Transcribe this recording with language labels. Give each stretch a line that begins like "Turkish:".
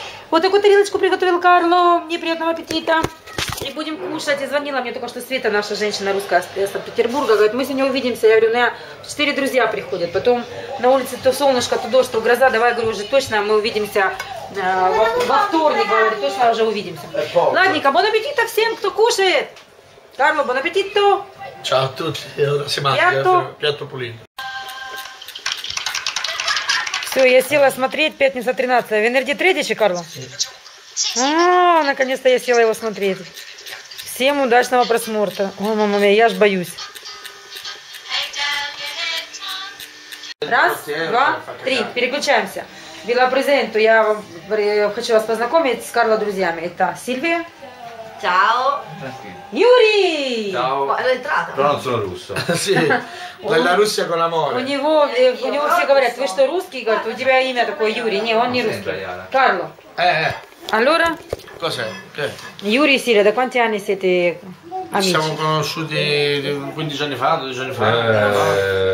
Russian: Вот такую тарелочку приготовил Карло. Мне приятного аппетита. И будем кушать. И звонила мне только что Света, наша женщина русская из Санкт-Петербурга. Говорит, мы сегодня увидимся. Я говорю, у меня 4 друзья приходят. Потом на улице то солнышко, то дождь, то гроза. Давай, я говорю, уже точно мы увидимся во вторник. Говорю, точно уже увидимся. Ладненько, бон аппетита всем, кто кушает. Карло, бон аппетито.
Italian: Ciao a tutti, allora si mangia, piatto pulito.
Russian: Все, я села смотреть, пятница 13.
Italian: Венерді 3-ті, Карло? Sì.
Russian: А, наконец-то я села его смотреть. Всем удачного просмотра. О, мама моя, я ж боюсь. Раз, два, три. Переключаемся.
Italian: Вела презенту.
Russian: Я вам хочу вас познакомить с Карло друзьями. Это Сильвия.
Italian: Чао.
Russian: Юрий.
Italian: Чао.
Russian: него все говорят, вы что, русский? Говорят, у тебя имя такое Юрий. Не, он не русский. Карло.
Italian: Allora? Cos'è? Che? Yuri, Siria, da quanti anni siete amici? Ci siamo conosciuti 15 anni fa, 12 anni fa.